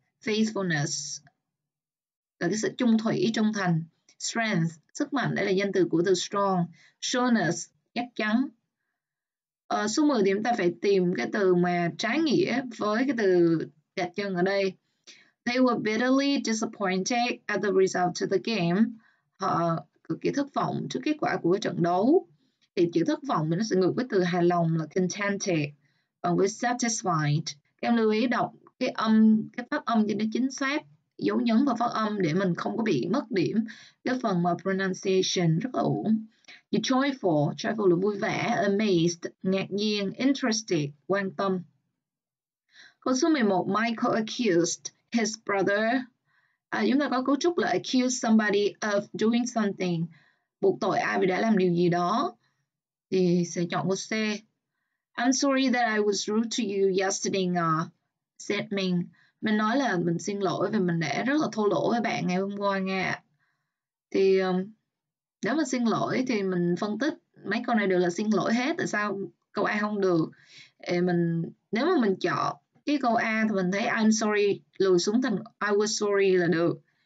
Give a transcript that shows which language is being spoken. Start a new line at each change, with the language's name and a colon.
Vietnamese: Faithfulness là cái sự trung thủy, trung thành. Strength, sức mạnh, đây là danh từ của từ strong. Sureness, chắc chắn. Ở số 10 thì chúng ta phải tìm cái từ mà trái nghĩa với cái từ đặt chân ở đây.
English: They were bitterly disappointed at the result of the game.
Vietnamese: Họ cực kỳ thất vọng trước kết quả của trận đấu. Thì chữ thất vọng thì nó sẽ ngược với từ hài lòng là contented bằng với satisfied. Em lưu ý đọc cái âm, cái phát âm cho nó chính xác, dấu nhấn và phát âm để mình không có bị mất điểm cái phần mà pronunciation rất là ổn. Như joyful, joyful là vui vẻ, amazed, ngạc nhiên, interested, quan tâm. Câu số 11,
English: Michael accused his brother.
Vietnamese: Chúng ta có cấu trúc là
English: accuse somebody of doing something,
Vietnamese: buộc tội ai vì đã làm điều gì đó, thì sẽ chọn câu C.
English: I'm sorry that I was rude to you yesterday, said Ming.
Vietnamese: Mình nói là mình xin lỗi vì mình đã rất là thô lỗ với bạn ngày hôm qua nghe. Thì nếu mà xin lỗi thì mình phân tích mấy câu này đều là xin lỗi hết, tại sao câu A không được. Mình nếu mà mình chọn cái câu A thì mình thấy
English: I'm sorry
Vietnamese: lùi xuống thành
English: I was sorry
Vietnamese: là được.